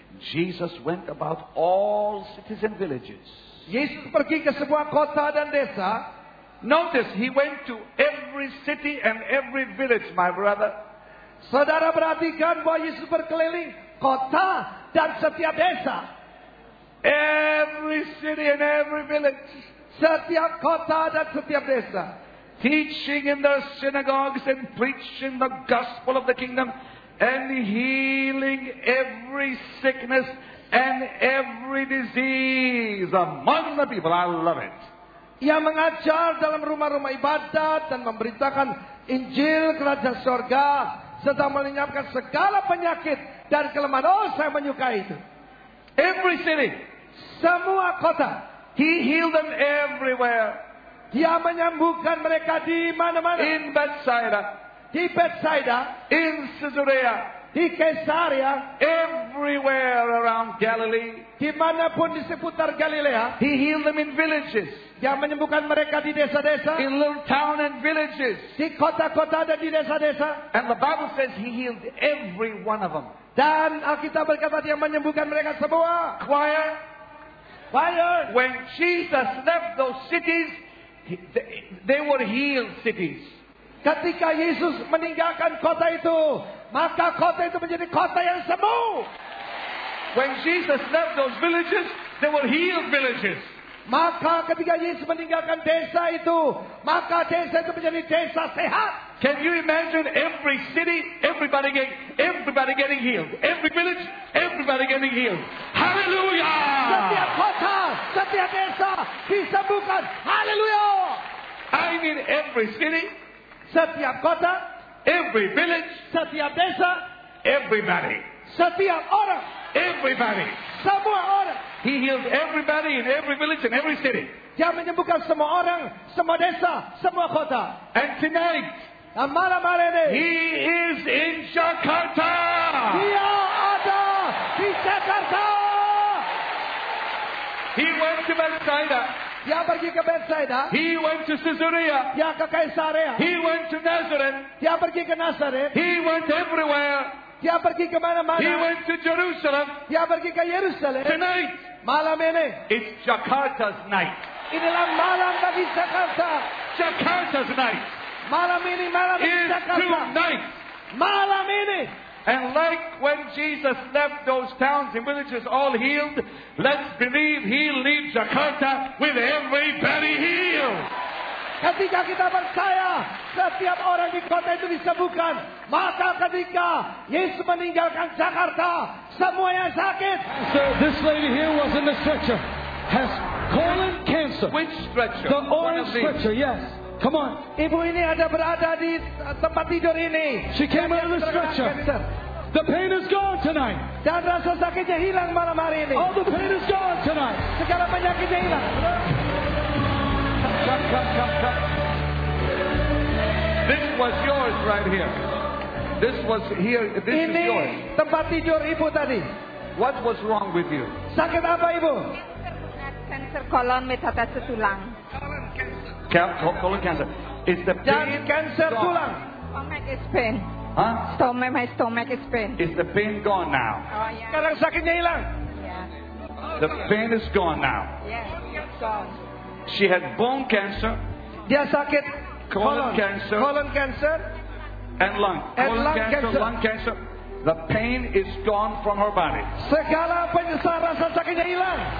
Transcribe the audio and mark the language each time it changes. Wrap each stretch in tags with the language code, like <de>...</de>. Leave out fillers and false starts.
<en>Jesus went about all cities and villages.</en> <id>Yesus pergi ke semua kota dan desa.</id> <en>Notice, he went to every city and every village, my brother.</en> <id>Saudara perhatikan bahwa Yesus berkeliling kota dan setiap desa.</id> <en>Every city and every village.</en> <id>Setiap kota dan setiap desa.</id> <en>Teaching in the synagogues and preaching the gospel of the kingdom. And healing every sickness and every disease among the people. I love it.</en> <id>Ia mengajar dalam rumah-rumah ibadat dan memberitakan Injil Kerajaan Surga serta melenyapkan segala penyakit dan kelemahan. Oh, saya menyukai itu.</id> <en>Every city.</en> <id>Semua kota.</id> <en>He healed them everywhere.</en> <id>Dia menyembuhkan mereka di mana-mana.</id> <en>In Bethsaida.</en> <id>Di Bethsaida.</id> <en>In Caesarea.</en> <id>Di Caesarea.</id> <en>Everywhere around Galilee.</en> <id>Dimanapun di seputar Galilea.</id> <en>He healed them in villages.</en> <id>Dia menyembuhkan mereka di desa-desa.</id> <en>In little town and villages.</en> <id>Di kota-kota dan di desa-desa.</id> <en>And the Bible says he healed every one of them.</en> <id>Dan Alkitab berkata dia menyembuhkan mereka semua.</id> <en>Choir. Choir. When Jesus left those cities, they were healed cities.</en> <id>Ketika Yesus meninggalkan kota itu, maka kota itu menjadi kota yang sembuh.</id> <en>When Jesus left those villages, they were healed villages.</en> <id>Maka ketika Yesus meninggalkan desa itu, maka desa itu menjadi desa sehat.</id> <en>Can you imagine every city, everybody getting healed? Every village, everybody getting healed. Hallelujah!</en> <id>Setiap kota, setiap desa disembuhkan. Hallelujah!</id> <en>I mean every city.</en> <id>Setiap kota,</id> <en>every village,</en> <id>setiap desa,</id> <en>everybody,</en> <id>setiap orang,</id> <en>everybody,</en> <id>semua orang.</id> <en>He healed everybody in every village and every city.</en> <id>Dia menyembuhkan semua orang, semua desa, semua kota.</id> <en>And tonight,</en> <id>dan malam hari ini,</id> <en>he is in Jakarta.</en> <id>Dia ada di Jakarta.</id> <en>He went to Bethsaida.</en> <id>Dia pergi ke Bethsaida.</id> <en>He went to Caesarea.</en> <id>Dia ke Caesarea.</id> <en>He went to Nazareth.</en> <id>Dia pergi ke Nazareth.</id> <en>He went everywhere.</en> <id>Dia pergi ke mana-mana.</id> <en>He went to Jerusalem.</en> <id>Dia pergi ke Yerusalem.</id> <en>Tonight.</en> <id>Malam ini.</id> <en>It's Jakarta's night.</en> <id>Inilah malam bagi Jakarta.</id> <en>Jakarta's night.</en> <id>Malam ini malam</id> <en>it's Jakarta. It's tonight.</en> <id>Malam ini.</id> <en>And like when Jesus left those towns and villages all healed, let's believe he'll leave Jakarta with everybody healed.</en> <id>Ketika kita percaya setiap orang di kota itu disembuhkan, maka ketika Yesus meninggalkan Jakarta, semua yang sakit.</id> <en>So this lady here was in the stretcher, has colon cancer. Which stretcher? The orange stretcher, yes. Come on.</en> <id>Ibu ini ada berada di tempat tidur ini.</id> <en>She came out of the stretcher. The pain is gone tonight.</en> <id>Dan rasa sakitnya hilang malam hari ini.</id> <en>All the pain is gone tonight.</en> <id>Segala penyakitnya hilang.</id> <en>Come. This was yours right here. This was here. This</en> <id>ini</id> <en>is yours.</en> <id>Tempat tidur ibu tadi.</id> <en>What was wrong with you?</en> <id>Sakit apa ibu? Cancer colon metastasis tulang.</id> <en>Colon cancer. Is the pain?</en> <id>Jadi cancer tulang.</id> <en>Stomach is pain. Huh? Stomach, my stomach is pain. Is the pain gone now? Oh yeah.</en> <id>Sekarang sakitnya hilang.</id> <en>The pain is gone now. Yes. She had bone cancer.</en> <id>Dia sakit</id> <en>colon cancer. Colon cancer. And lung. And colon lung cancer, cancer. Lung cancer. The pain is gone from her body.</en> <id>Segala penyesal rasa sakitnya hilang.</id>